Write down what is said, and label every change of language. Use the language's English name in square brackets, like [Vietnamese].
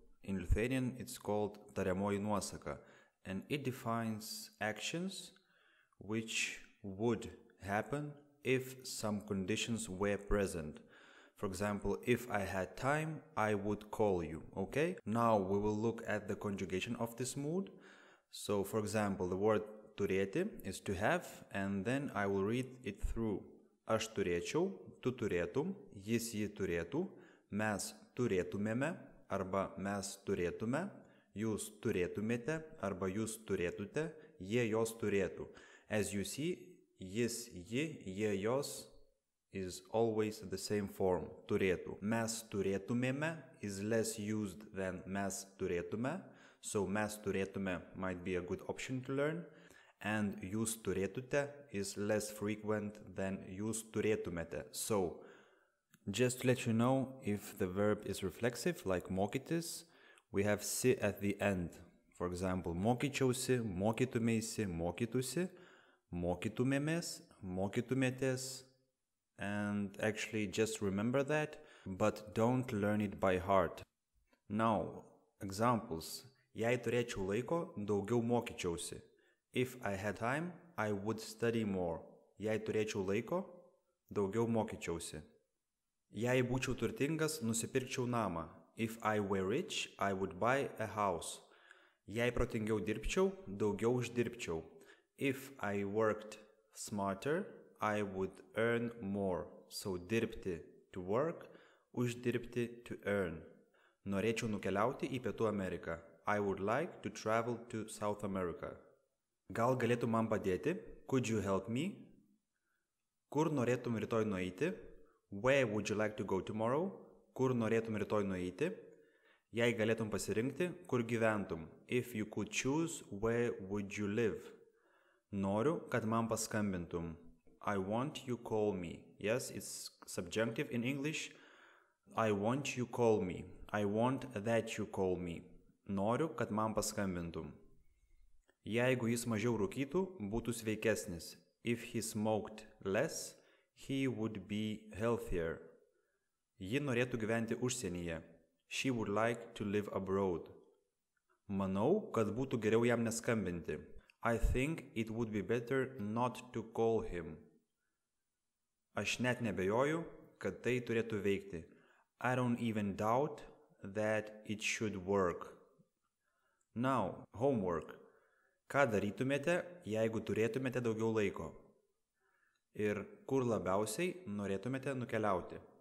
[English] In Lithuanian it's called Tariamoji nuosaka, and it defines actions which would happen if some conditions were present. For example, if I had time, I would call you, okay? Now we will look at the conjugation of this mood. So, for example, the word turėti is to have, and then I will read it through. [Lithuanian] Aš turėčiau, tu turėtum, jis jį turėtų, mes turėtumėme, arba mes turėtume, jūs turėtumėte, arba jūs turėtute, jie jos turėtų. [English] As you see, jis, ji, jie, jos is always the same form, turėtų. Mes turėtumėme is less used than mes turėtume, so mes turėtume might be a good option to learn. And jūs turėtute is less frequent than jūs turėtumėte. So, just to let you know, if the verb is reflexive, like mokytis, we have si at the end. For example, [Lithuanian] mokyčiausi, mokytumeisi, mokytusi, mokytumėmės, mokytumėtės. [English] And actually, just remember that, but don't learn it by heart. Now, examples. [Lithuanian] Jei turėčiau laiko, daugiau mokyčiausi. [English] If I had time, I would study more. [Lithuanian] Jei turėčiau laiko, daugiau mokyčiausi. Jei būčiau turtingas, nusipirkčiau namą. [English] If I were rich, I would buy a house. [Lithuanian] Jei protingiau dirbčiau, daugiau uždirbčiau. [English] If I worked smarter, I would earn more. So, dirbti to work, uždirbti to earn. [Lithuanian] Norėčiau nukeliauti į Pietų Ameriką. [English] I would like to travel to South America. [Lithuanian] Gal galėtum man padėti? [English] Could you help me? [Lithuanian] Kur norėtum rytoj nueiti? [English] Where would you like to go tomorrow? [Lithuanian] Kur norėtum rytoj nueiti? Jei galėtum pasirinkti, kur gyventum? [English] If you could choose, where would you live? [Lithuanian] Noriu, kad man paskambintum. [English] I want you call me. Yes, it's subjunctive in English. I want you call me. I want that you call me. [Lithuanian] Noriu, kad man paskambintum. Jeigu jis mažiau rūkytų, būtų sveikesnis. [English] If he smoked less, he would be healthier. [Lithuanian] Ji norėtų gyventi užsienyje. [English] She would like to live abroad. [Lithuanian] Manau, kad būtų geriau jam neskambinti. [English] I think it would be better not to call him. [Lithuanian] Aš net nebejoju, kad tai turėtų veikti. [English] I don't even doubt that it should work. Now, homework. [Lithuanian] Ką darytumėte, jeigu turėtumėte daugiau laiko? Ir kur labiausiai norėtumėte nukeliauti?